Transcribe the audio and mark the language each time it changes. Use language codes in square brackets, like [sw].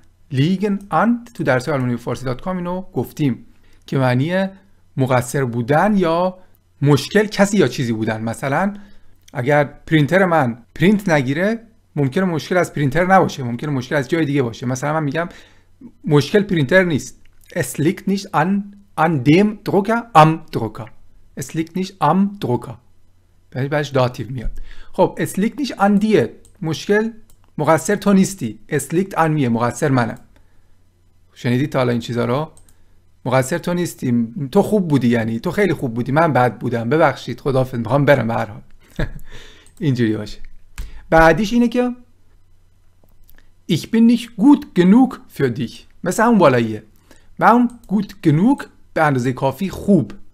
[fa] liegen an تو درس آلمانی فارسی دات کام اینو گفتیم که معنی مقصر بودن یا مشکل کسی یا چیزی بودن. مثلا اگر پرینتر من پرینت نگیره، ممکنه مشکل از پرینتر نباشه، ممکنه مشکل از جای دیگه باشه. مثلا من میگم مشکل پرینتر نیست. [de] Es liegt nicht an dem Drucker, am Drucker. Es liegt nicht am Drucker. [fa] بعدش داتیو میاد. [de] خب Es liegt nicht an dir. [fa] مشکل مقصر تو نیستی. [de] Es liegt an mir. [fa] مقصر منم. شنیدی تا حالا این چیزا رو؟ مقصر تو نیستی، تو خوب بودی، یعنی تو خیلی خوب بودی، من بد بودم، ببخشید، خداحافظ، میخوام برم. به هر حال اینجوری باشه. بعدیش اینه که [de] ich bin nicht gut genug für dich، [fa] مثل همون بالاییه. من gut genug، به اندازه کافی خوب.